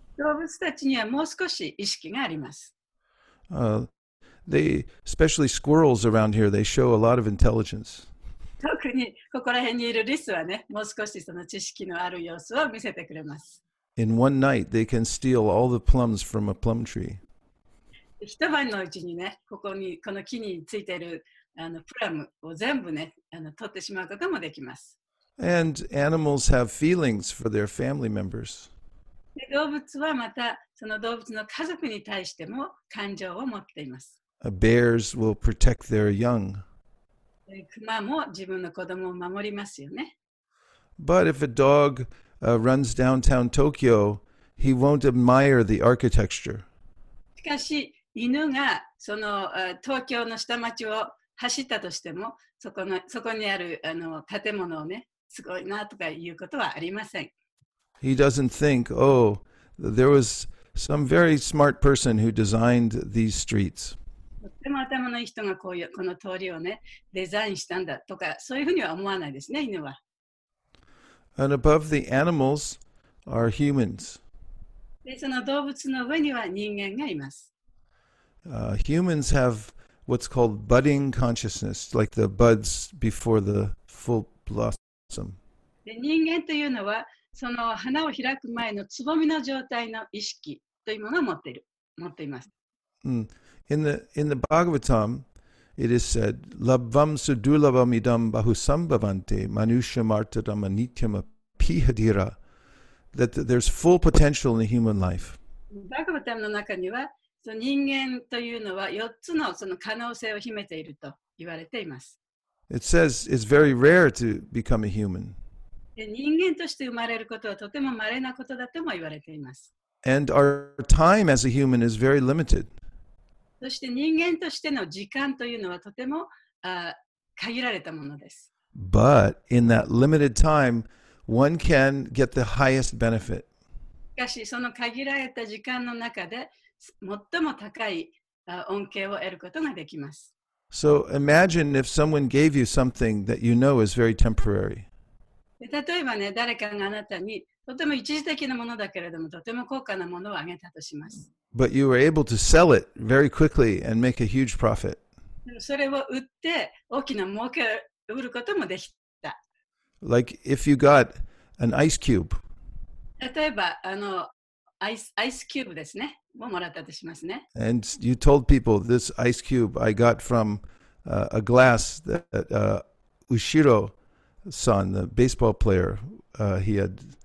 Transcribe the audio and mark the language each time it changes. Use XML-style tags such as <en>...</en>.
<ja>動物たちにはもう少し意識があります。</ja> <en>Especially squirrels around here, they show a lot of intelligence.</en> <ja>特にここら辺にいるリスはね、もう少しその知識のある様子を見せてくれます。</ja> <en>In one night, they can steal all the plums from a plum tree.</en> <ja>一晩のうちにね、ここにこの木についているあのプラムを全部ね、取ってしまうこともできます。</ja> <en>And animals have feelings for their family members.</en> <ja>動物はまたその動物の家族に対しても感情を持っています。</ja> <en>Bears will protect their young.</en> <ja>クマも自分の子供を守りますよね。</ja> <en>But if a dog runs downtown Tokyo, he won't admire the architecture.</en> <ja>しかし犬がその東京の下町を走ったとしても、そこにあるあの建物をね、すごいなとかいうことはありません。</ja> <en>He doesn't think, oh, there was some very smart person who designed these streets.</en> <ja>とても頭のいい人がこういうこの通りをね、デザインしたんだとか、そういうふうには思わないですね、犬は。</ja> <en>And above the animals are humans.</en> <ja>で、その動物の上には人間がいます。</ja> <en>Humans have what's called budding consciousness, like the buds before the full blossom.</en> <ja>で、人間というのは、その花を開く前のつぼみの状態の意識というものを持っています。</ja> <en>In the Bhagavatam, it is said,</en> <sa>Labvam sudulabham idam bahusambhavante manushamartadam anityam apihadira,</sa> <en>that there's full potential in the human life.</en> <ja>Bhagavatam の中には、その人間というのは4つのその可能性を秘めていると言われています。</ja> <en>It says it's very rare to become a human.</en> <ja>人間として生まれることはとても稀なことだとも言われています。</ja> <en>And our time as a human is very limited.</en> <ja>そして人間としての時間というのはとても限られたものです。</ja> <en>But in that limited time, one can get the highest benefit.</en> <ja>しかしその限られた時間の中で最も高い恩恵を得ることができます。</ja> <en>So imagine if someone gave you something that you know is very temporary.</en> <ja>例えばね、誰かがあなたにとても一時的なものだけれども、とても高価なものをあげたとします。</ja> <en>But you were able to sell it very quickly and make a huge profit.</en> <ja>それを売って大きな儲けを売ることもできた。</ja> <en>Like if you got an ice cube.</en> <ja>例えばあのアイスキューブですね。もらったとしますね。</ja> <en>And you told people, this ice cube I got from a glass that Ushiro-san, the baseball player, he had...</en>